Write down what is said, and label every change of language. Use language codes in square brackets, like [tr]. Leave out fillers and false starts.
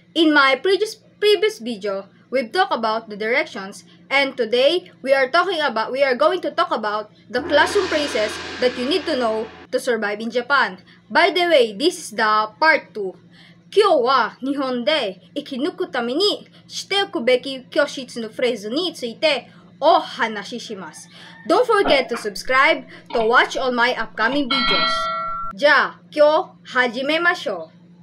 [en] In my previous video, we've talked about the directions, and today we are going to talk about the classroom phrases that you need to know to survive in Japan. By the way, this is the part 2. [ja] 今日は日本で生き抜くためにしておくべき教室のフレーズについてお話しします。 [en] Don't forget to subscribe to watch all my upcoming videos. [ja] じゃあ、今日始めましょう。